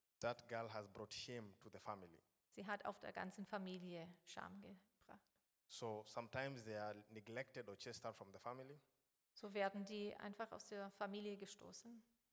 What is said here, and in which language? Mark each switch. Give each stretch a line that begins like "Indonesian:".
English: That girl has brought shame to the family.
German: Sie hat auf der ganzen Familie Scham gebracht.
English: So sometimes they are neglected or chased out from the family.
German: So werden die einfach aus der Familie gestoßen.